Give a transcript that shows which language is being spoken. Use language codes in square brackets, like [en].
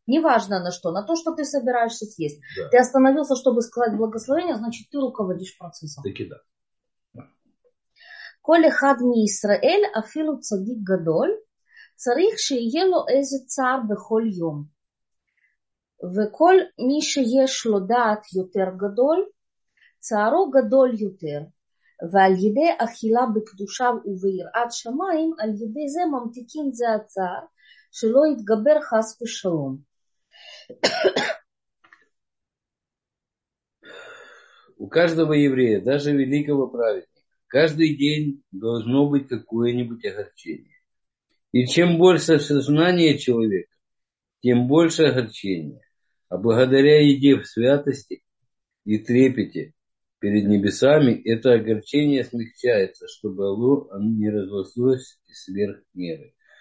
[ru] Неважно на что, на то, что ты собираешься съесть. Ты Да. остановился, чтобы сказать благословение, значит, ты руководишь процессом. Таки да. [he] Коли хад ми Исраэль, афилу цадик гадоль, царих шиело эзе цар бехоль йом. וכל מי שיש לו דעת יותר גדול, צערו גדול יותר, ועל ידי אכילה בקדושה וביראת שמיים, על ידי זה ממתיקים זה הצער, שלא יתגבר חס ושלום. [ru] У каждого еврея, даже великого праведника, каждый день должно быть какое-нибудь огорчение. И чем больше сознание человека, тем больше огорчения. А благодаря еде в святости и трепете перед небесами, это огорчение смягчается, чтобы оно не разрослось сверх меры.